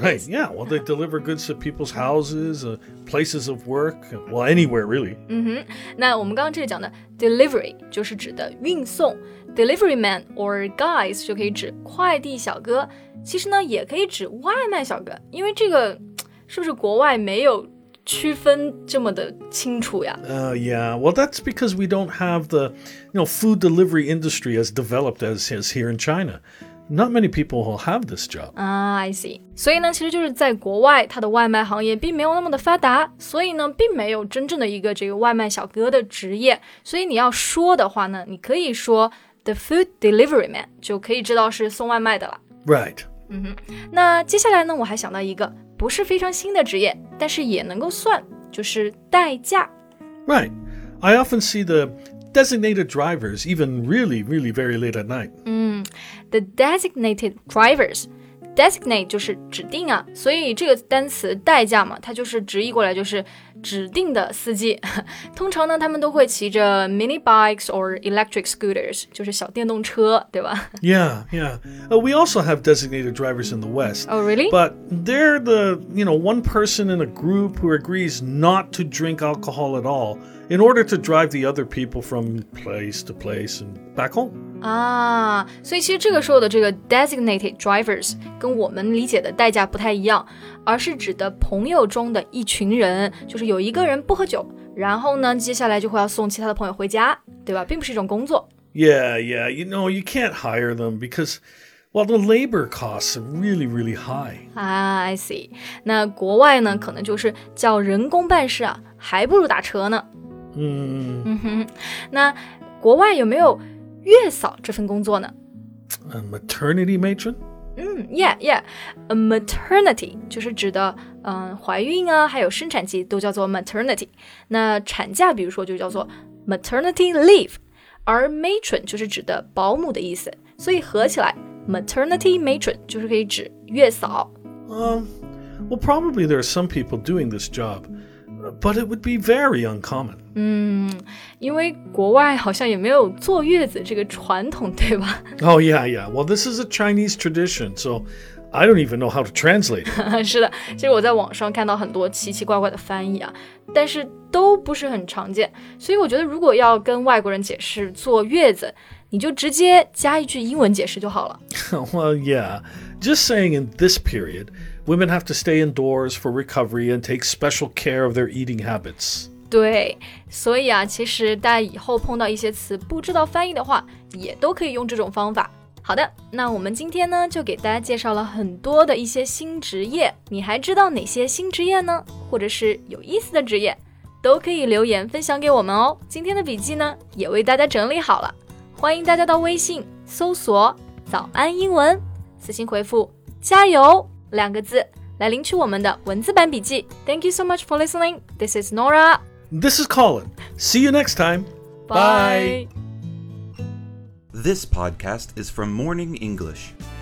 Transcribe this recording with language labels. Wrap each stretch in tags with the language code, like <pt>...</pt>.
<en>Right. Yeah, well, they deliver goods to people's houses, places of work. Well, anywhere, really. Mm-hmm.</en> <zh>那我们刚刚这里讲的 delivery 就是指的运送。</zh> <en>Delivery men or guys</en> <zh>就可以指快递小哥。其实呢也可以指外卖小哥，因为这个是不是国外没有区分这么的清楚呀？</zh> <en>Yeah, well that's because we don't have the, you know, food delivery industry as developed as here in China. Not many people will have this job. I see.</en> <zh>所以呢其实就是在国外它的外卖行业并没有那么的发达，所以呢并没有真正的一个这个外卖小哥的职业。所以你要说的话呢，你可以说</zh> <en>the food delivery man,</en> <zh>就可以知道是送外卖的了。</zh> <en>Right.</en> <zh>那接下来呢我还想到一个不是非常新的职业，但是也能够算，就是代驾。</zh> <en>Right. I often see the designated drivers even really, really very late at night. The designated drivers.</en> <zh>Designate 就是指定啊，所以这个单词代驾嘛，它就是直译过来就是指定的司机。通常呢他们都会骑着</zh> <en>mini bikes or electric scooters,</en> <zh>就是小电动车，对吧？</zh> <en>Yeah, yeah. We also have designated drivers in the West. Oh, really? But they're the, you know, one person in a group who agrees not to drink alcohol at all in order to drive the other people from place to place and back home.</en> <zh>啊，所以其实这个时候的这个 designated drivers 跟我们理解的代驾不太一样，而是指的朋友中的一群人，就是有一个人不喝酒，然后呢接下来就会要送其他的朋友回家，对吧？并不是一种工作。</zh> <en>Yeah, yeah, you know, you can't hire them because, well, the labor costs are really, really high. I see.</en> <zh>那国外呢可能就是叫人工办事啊，还不如打车呢。那国外有没有月嫂这份工作呢？</zh> <en>A maternity matron? Yeah, yeah.</en> <zh>A maternity 就是指的怀孕啊还有生产期都叫做 maternity. 那产假比如说就叫做 maternity leave. 而 matron 就是指的保姆的意思。所以合起来 maternity matron 就是可以指月嫂。</zh> <en>Well, probably there are some people doing this job. But it would be very uncommon.</en> <zh>因为国外好像也没有坐月子这个传统，对吧？</zh> <en>Oh, yeah, yeah. Well, this is a Chinese tradition, so I don't even know how to translate it.</en> <zh>是的，其实我在网上看到很多奇奇怪怪的翻译啊，但是都不是很常见。所以我觉得如果要跟外国人解释坐月子，你就直接加一句英文解释就好了。 Well, yeah. Just saying in this period... Women have to stay indoors for recovery and take special care of their eating habits. 对，所以啊，其实大家以后碰到一些词不知道翻译的话，也都可以用这种方法。好的，那我们今天呢，就给大家介绍了很多的一些新职业。你还知道哪些新职业呢？或者是有意思的职业？都可以留言分享给我们哦。今天的笔记呢，也为大家整理好了，欢迎大家到微信搜索早安英文，私信回复加油两个字来领取我们的文字版笔记。</zh> <en>Thank you so much for listening. This is Nora. This is Colin. See you next time. Bye. This podcast is from Morning English.</en>